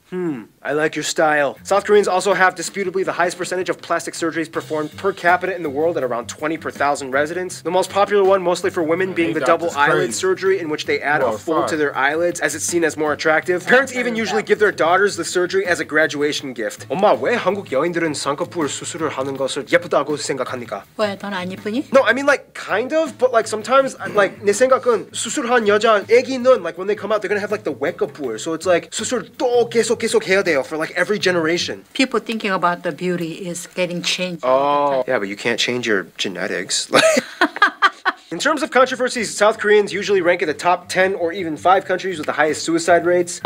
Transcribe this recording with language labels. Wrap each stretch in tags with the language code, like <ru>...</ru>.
<en>I like your style. South Koreans also have disputably the highest percentage of plastic surgeries performed per capita in the world at around 20 per thousand residents. The most popular one, mostly for women, being the double eyelid surgery, in which they add a fold to their eyelids as it's seen as more attractive. Parents even usually give their daughters the surgery as a graduation gift.</en> <ko>엄마, 왜 한국 여인들은 쌍꺼풀 수술을 하는 것을 예쁘다고 생각하니까? 왜, 넌 안 예쁘니?</ko> <en>No, I mean like, kind of, but like sometimes, like,</en> <ko>내 생각은 수술한 여자 애기는,</ko> <en>like when they come out, they're gonna have like the wekapur, so it's like</en> <ko>수술도 계속 해야 돼요</ko> <en>for like every generation. People thinking about the beauty is getting changed. Oh, yeah, but you can't change your genetics. In terms of controversies, South Koreans usually rank in the top 10 or even 5 countries with the highest suicide rates.</en>